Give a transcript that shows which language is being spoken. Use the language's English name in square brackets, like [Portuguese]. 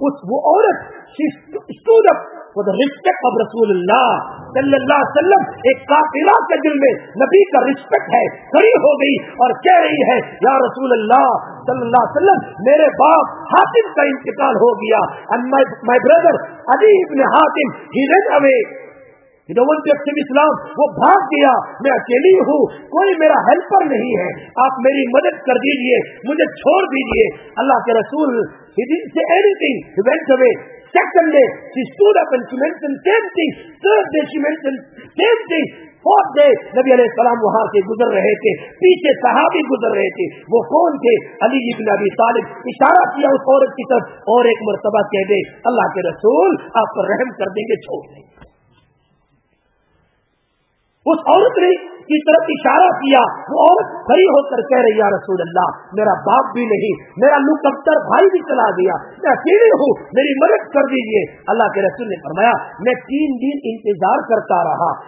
[Urdu] وہ عورت [English] stood up for the respect of [Urdu] رسول اللہ صلی اللہ علیہ وسلم، ایک کافرہ کے دل میں نبی کا رسپیکٹ ہے، کھڑی ہو گئی اور کہہ رہی ہے یا رسول اللہ صلی اللہ علیہ وسلم میرے باپ حاتم کا انتقال ہو گیا، [English] and my brother [Urdu] علی ابن حاتم [English] he ran away، [Urdu] اسلام وہ بھاگ گیا، میں اکیلی ہوں، کوئی میرا ہیلپر نہیں ہے، آپ میری مدد کر دیجئے، مجھے چھوڑ دیجئے۔ اللہ کے رسول [English] he didn't say anything, he went away. Second day she stood up and she mentioned same thing. Third day she mentioned same thing. [Urdu] Fourth day نبی علیہ السلام وہاں سے گزر رہے تھے، پیچھے صحابی گزر رہے تھے، وہ کون تھے؟ علی ابن ابی طالب، اشارہ کیا اس عورت کی طرف اور ایک مرتبہ کہہ دے اللہ کے رسول آپ پر رحم کر دیں گے، چھوڑ دیں گے۔ اس عورت نے کی طرف اشارہ کیا، وہ عورت کھڑی ہو کر کہہ رہی یا رسول اللہ میرا باپ بھی نہیں، میرا لکبتر بھائی بھی چلا گیا، میں اکیلی ہوں، میری مدد کر دیجئے۔ اللہ کے رسول نے فرمایا میں تین دن انتظار کرتا رہا